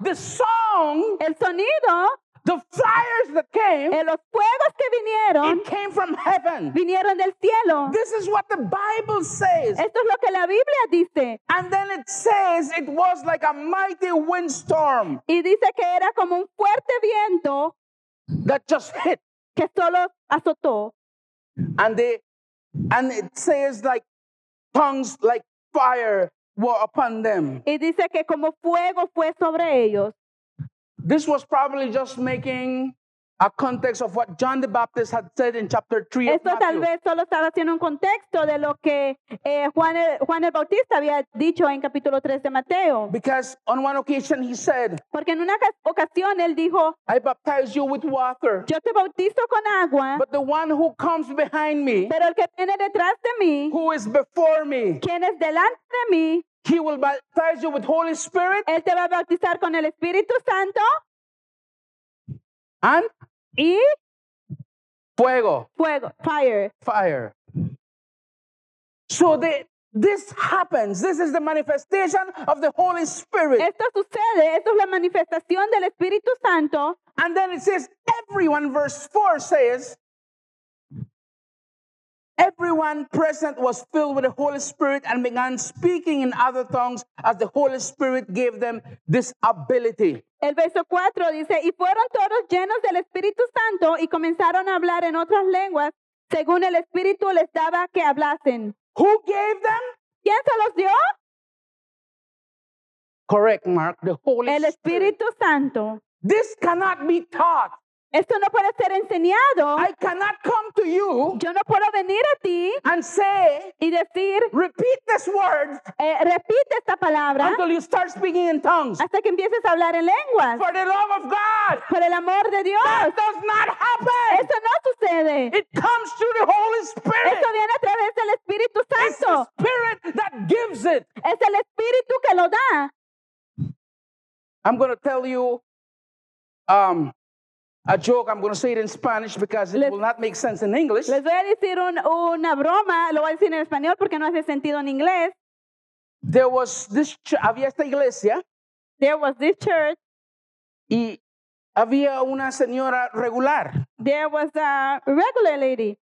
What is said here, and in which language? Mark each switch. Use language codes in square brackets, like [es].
[en] The song. [es] El sonido. [en] The fires that came. [es] En los fuegos que vinieron. [en] It came from heaven. [es] Vinieron del cielo. [en] This is what the Bible says. [es] Esto es lo que la Biblia dice. [en] And then it says it was like a mighty windstorm. [es] Y dice que era como un fuerte viento. [en] That just hit. [es] Que solo azotó. [en] And it says like tongues like fire were upon them. [es] Y dice que como fuego fue sobre ellos. [en] This was probably just making a context of what John the Baptist had said in chapter 3 of Matthew. [es] Esto tal vez solo estaba haciendo un contexto de lo que Juan el Bautista había dicho en capítulo 3 de Mateo. [en] Because on one occasion he said, [es] porque en una ocasión él dijo, [en] I baptize you with water. [es] Yo te bautizo con agua. [en] But the one who comes behind me, [es] pero el que viene detrás de mí, [en] who is before me, [es] quien es delante de mí, [en] he will baptize you with Holy Spirit. [es] Él te va a bautizar con el Espíritu Santo. [en] And? [es] Y? Fuego. Fuego. Fire. [en] Fire. So this happens. This is the manifestation of the Holy Spirit. [es] Esto sucede. Esto es la manifestación del Espíritu Santo. [en] And then it says, everyone, verse 4 says, everyone present was filled with the Holy Spirit and began speaking in other tongues as the Holy Spirit gave them this ability. [es] El verso 4 dice, y fueron todos llenos del Espíritu Santo y comenzaron a hablar en otras lenguas según el Espíritu les daba que hablasen. [en] Who gave them? [es] ¿Quién se los dio? [en] Correct, Mark. The Holy Spirit. [es] El Espíritu Santo. [en] This cannot be taught. [es] Esto no puede ser enseñado. [en] I cannot come to you. [es] Yo no puedo venir a ti. [en] And say. [es] Y decir. [en] Repeat this word. [es] Repite esta palabra. [en] Until you start speaking in tongues. [es] Hasta que empieces a hablar en lenguas. [en] For the love of God. [es] Por el amor de Dios. [en] That does not happen. [es] Eso no sucede. [en] It comes through the Holy Spirit. [es] Esto viene a través del Espíritu Santo. [en] It's the Spirit that gives it. [es] Es el Espíritu que lo da. [en] I'm going to tell you. A joke, I'm going to say it in Spanish because it will not make sense in English. [es] Les voy a decir una broma, lo voy a decir en español porque no hace sentido en inglés. [en] There was this, [es] había esta iglesia. [en] There was this church. [es] Y había una señora regular. [en] There was a regular lady.